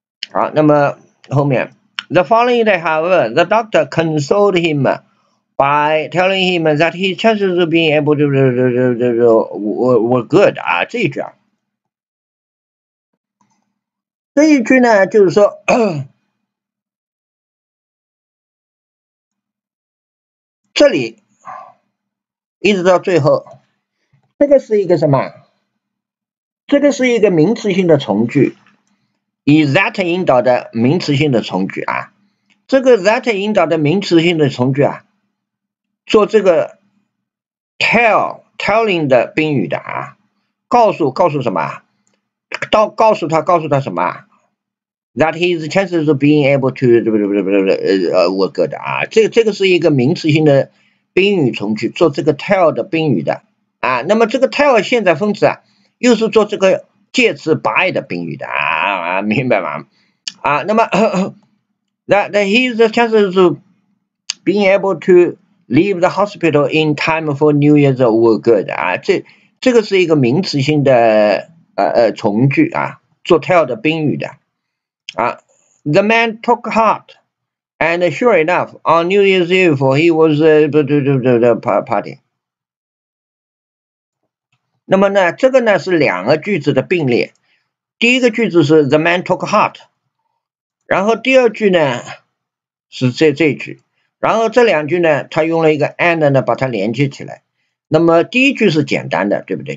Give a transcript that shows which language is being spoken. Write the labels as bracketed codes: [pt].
[zh] 好，那么后面 [en] ，the following day, however, the doctor consoled him by telling him that his chances of being able to were good 啊， [zh] 这一句呢，就是说，这里一直到最后。这个是一个什么？这个是一个名词性的从句，以 that 引导的名词性的从句啊。这个 that 引导的名词性的从句啊，做这个 telling 的宾语的啊，告诉什么？告诉他什么 [en] ？That his chances of being able to were good 啊。 [zh] 这个是一个名词性的宾语从句，做这个 tell 的宾语的。啊，那么这个 tell 现在分词啊，又是做这个介词 by 的宾语的 啊，明白吗？啊，那么 [en] that his chances of being able to leave the hospital in time for New Year's were good 啊， [zh] 这个是一个名词性的从句啊，做 tell 的宾语的啊。 [en] The man took heart, and sure enough, on New Year's Eve he was party. [zh] 那么呢，这个呢是两个句子的并列。第一个句子是 [en] the man took heart， [zh] 然后第二句呢是这句，然后这两句呢，他用了一个 and 呢把它连接起来。那么第一句是简单的，对不对？